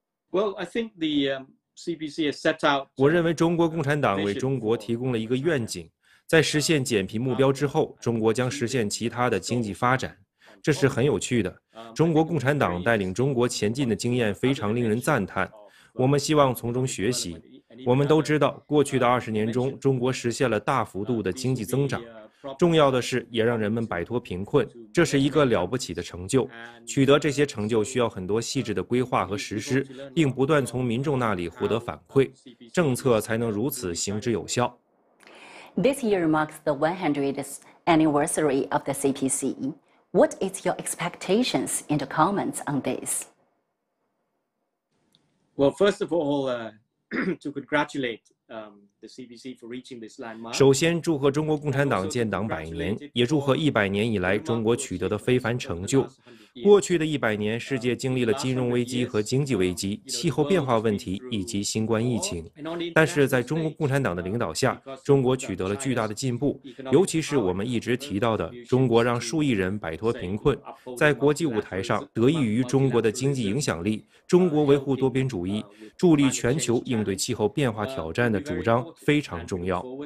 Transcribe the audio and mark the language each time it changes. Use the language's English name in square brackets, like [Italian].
[English] Well, I think the CPC has set out. [Chinese] 我认为中国共产党为中国提供了一个愿景，在实现减贫目标之后，中国将实现其他的经济发展。这是很有趣的，中国共产党带领中国前进的经验非常令人赞叹，我们希望从中学习。我们都知道，过去的20年中，中国实现了大幅度的经济增长，重要的是也让人们摆脱贫困，这是一个了不起的成就。取得这些成就需要很多细致的规划和实施，并不断从民众那里获得反馈，政策才能如此行之有效。 [English] This year marks the 100th anniversary of the CPC. What is your expectations and comments on this? Well, first of all, to congratulate the CPC for reaching this landmark. [Chinese] 首先祝贺中国共产党建党100年，也祝贺100年以来中国取得的非凡成就。过去的一百年，世界经历了金融危机和经济危机、气候变化问题以及新冠疫情。但是在中国共产党的领导下，中国取得了巨大的进步，尤其是我们一直提到的，中国让数亿人摆脱贫困，在国际舞台上得益于中国的经济影响力，中国维护多边主义、助力全球应对气候变化挑战的主张非常重要。